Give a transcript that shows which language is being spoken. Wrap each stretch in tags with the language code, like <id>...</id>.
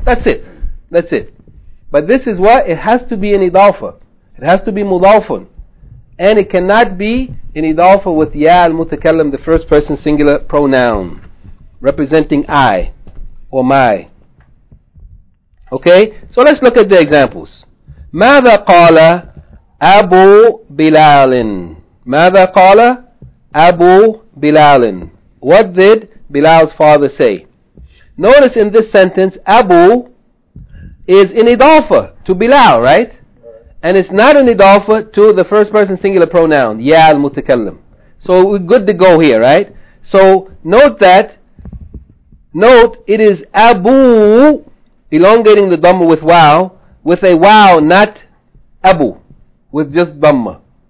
<en>That's it. That's it. But this is what? It has to be an idafa. It has to be mudafun. And it cannot be an idafa with ya al-mutakallam, the first person singular pronoun, representing I or my. Okay? So let's look at the examples.</en> <ar>ماذا قال أبو بلال؟ ماذا قال أبو بلال؟</ar> <en>What did Bilal's father say? Notice in this sentence, Abu is an idafa to Bilal, right? And it's not an idafa to the first person singular pronoun, ya al-mutakallam. So we're good to go here, right? So note that, note it is Abu, elongating the Dhamma with waw, with a waw, not Abu, with just Dhamma.</en>